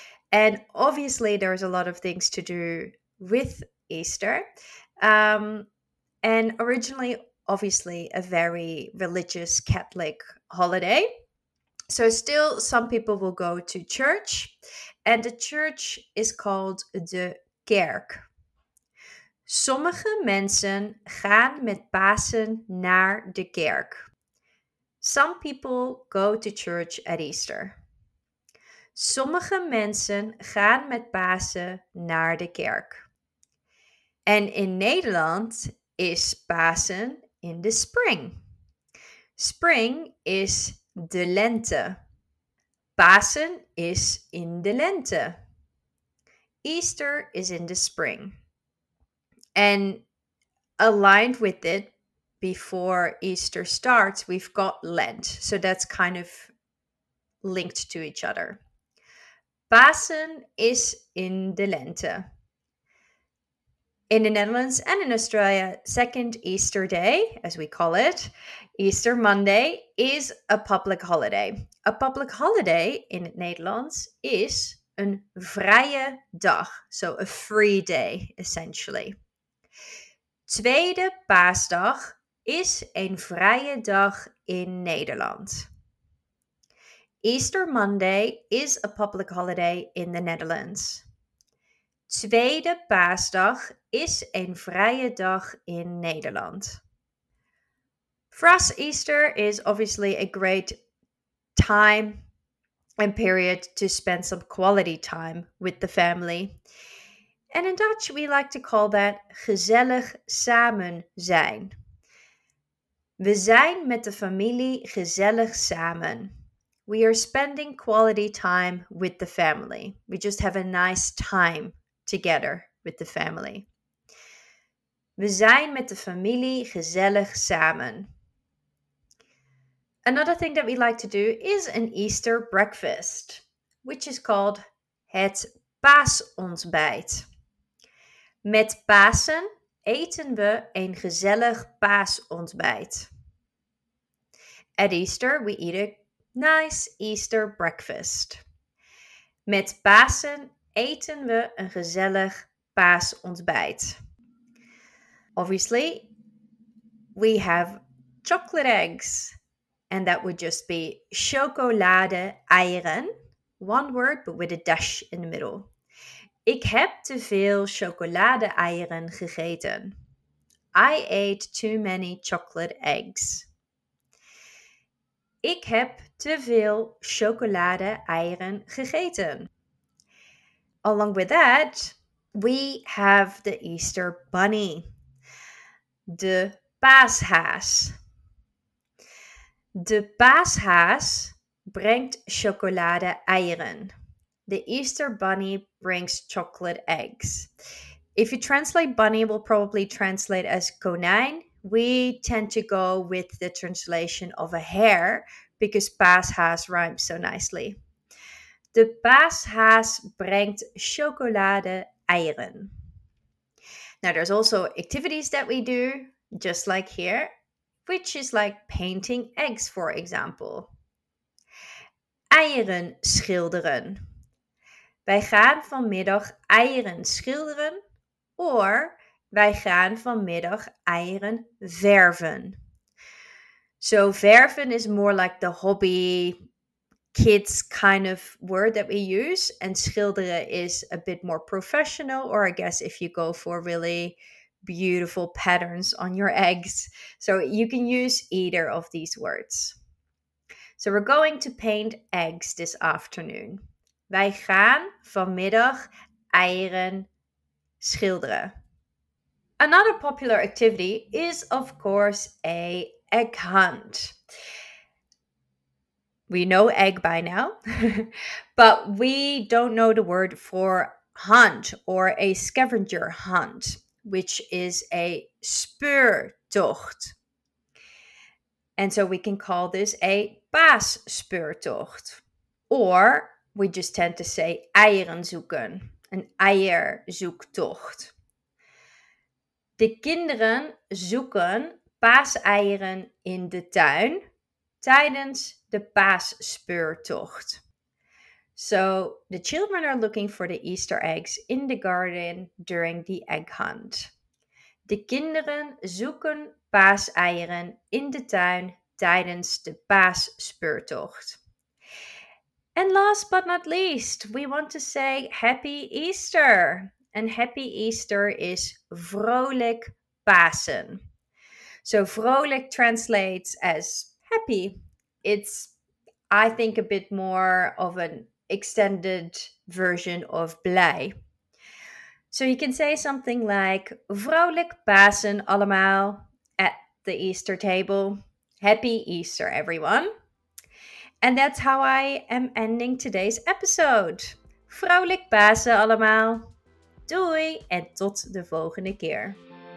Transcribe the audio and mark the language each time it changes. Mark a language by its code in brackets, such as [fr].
[en] And obviously there's a lot of things to do with Easter. And originally, obviously, a very religious Catholic holiday. So still some people will go to church, and the church is called de kerk. [nl] Sommige mensen gaan met Pasen naar de kerk. [en] Some people go to church at Easter. [nl] Sommige mensen gaan met Pasen naar de kerk. En in Nederland is Pasen [en] in the spring. [nl] Spring is de lente. Pasen is in de lente. [en] Easter is in the spring. And aligned with it, before Easter starts, we've got Lent. So that's kind of linked to each other. [nl] Pasen is in de lente. [en] In the Netherlands and in Australia, second Easter day, as we call it, Easter Monday, is a public holiday. A public holiday in [nl] het Nederlands is een vrije dag, [en] so a free day, essentially. [nl] Tweede Paasdag is een vrije dag in Nederland. [en] Easter Monday is a public holiday in the Netherlands. [nl] Tweede Paasdag is een vrije dag in Nederland. [en] For us, Easter is obviously a great time and period to spend some quality time with the family. And in Dutch, we like to call that [nl] gezellig samen zijn. We zijn met de familie gezellig samen. [en] We are spending quality time with the family. We just have a nice time together with the family. [nl] We zijn met de familie gezellig samen. [en] Another thing that we like to do is an Easter breakfast, which is called het paasontbijt. [nl] Met Pasen eten we een gezellig paasontbijt. [en] At Easter, we eat a nice Easter breakfast. [nl] Met Pasen eten we een gezellig paasontbijt. [en] Obviously, we have chocolate eggs. And that would just be chocolade eieren. One word, but with a dash in the middle. [nl] Ik heb te veel chocolade eieren gegeten. [en] I ate too many chocolate eggs. [nl] Ik heb te veel chocolade eieren gegeten. [en] Along with that, we have the Easter bunny. [nl] De paashaas. De paashaas brengt chocolade eieren. [en] The Easter bunny brings chocolate eggs. If you translate bunny, we'll probably translate as konijn. We tend to go with the translation of a hare because paashaas rhymes so nicely. [nl] De paashaas brengt chocolade eieren. [en] Now there's also activities that we do, just like here, which is like painting eggs, for example. [nl] Eieren schilderen. Wij gaan vanmiddag eieren schilderen, or wij gaan vanmiddag eieren verven. [en] So verven is more like the hobby kids kind of word that we use, and schilderen is a bit more professional, or I guess if you go for really beautiful patterns on your eggs. So you can use either of these words. So we're going to paint eggs this afternoon. [nl] Wij gaan vanmiddag eieren schilderen. [en] Another popular activity is, of course, a egg hunt. We know egg by now, but we don't know the word for hunt or a scavenger hunt, which is a speurtocht. And so we can call this a paasspeurtocht. Or we just tend to say eieren zoeken, an eierzoektocht. [nl] De kinderen zoeken paaseieren in de tuin tijdens de paasspeurtocht. [en] So the children are looking for the Easter eggs in the garden during the egg hunt. [nl] De kinderen zoeken paaseieren in de tuin tijdens de paasspeurtocht. [en] And last but not least, we want to say Happy Easter. And Happy Easter is vrolijk Pasen. So vrolijk translates as happy. It's, I think, a bit more of an extended version of blij. So you can say something like [nl] vrolijk Pasen allemaal [en] at the Easter table. Happy Easter, everyone. And that's how I am ending today's episode. [nl] Vrolijk Pasen allemaal. Doei en tot de volgende keer.